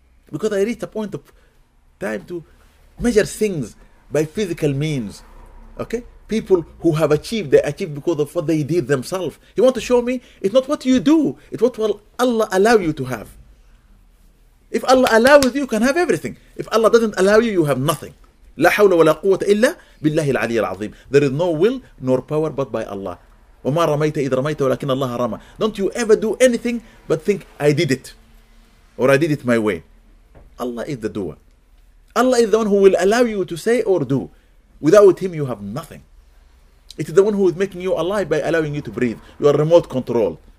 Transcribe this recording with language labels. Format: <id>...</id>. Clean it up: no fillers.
<en>Because I reached a point of time to measure things by physical means. Okay? People who have achieved, they achieved because of what they did themselves. He wants to show me, it's not what you do, it's what will Allah allow you to have. If Allah allows you, you can have everything. If Allah doesn't allow you, you have nothing.</en> <ar>لا حول ولا قوة إلا بالله العلي العظيم.</ar> <en>There is no will nor power but by Allah.</en> <ar>وما رميت إذ رميت ولكن الله رمى.</ar> <en>Don't you ever do anything but think, I did it. Or I did it my way. Allah is the doer. Allah is the one who will allow you to say or do. Without him, you have nothing. It is the one who is making you alive by allowing you to breathe. You are remote control.</en>